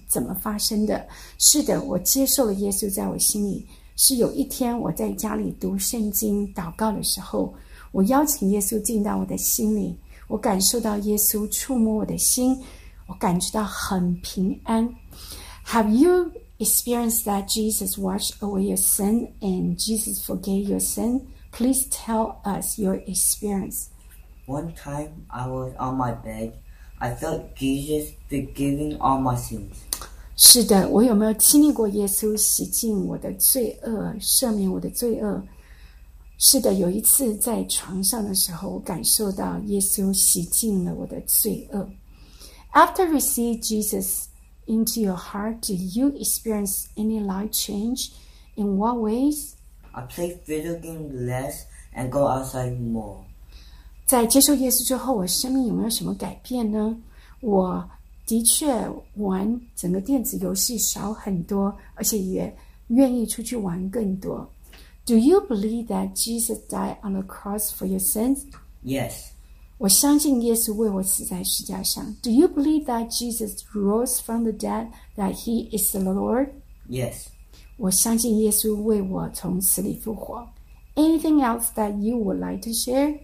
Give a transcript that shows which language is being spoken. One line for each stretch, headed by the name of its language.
Chinese: 怎么发生的？是的，我接受了耶稣在我心里。是有一天我在家里读圣经祷告的时候，我邀请耶稣进到我的心里，我感受到耶稣触摸我的心，我感觉到很平安。
English: Have you experienced that Jesus washed away your sin and Jesus forgave your sin? Please tell us your experience. One time I was on my bed, I felt Jesus forgiving all my sins.
Chinese: 是的，我有没有经历过耶稣洗净我的罪恶，赦免我的罪恶？是的，有一次在床上的时候，我感受到耶稣洗净了我的罪恶。
English: After receiving Jesus into your heart, do you experience any life change? In what ways? I play video games less and go outside more.
Chinese: 在接受耶稣之后，我生命有没有什么改变呢？我的确玩整个电子游戏少很多，而且也愿意出去玩更多。
English: Do you believe that Jesus died on the cross for your sins? Yes.
Chinese: 我相信耶稣为我死在十字架上。
English: Do you believe that Jesus rose from the dead, that he is the Lord? Yes.
Chinese: 我相信耶稣为我从死里复活。
English: Anything else that you would like to share?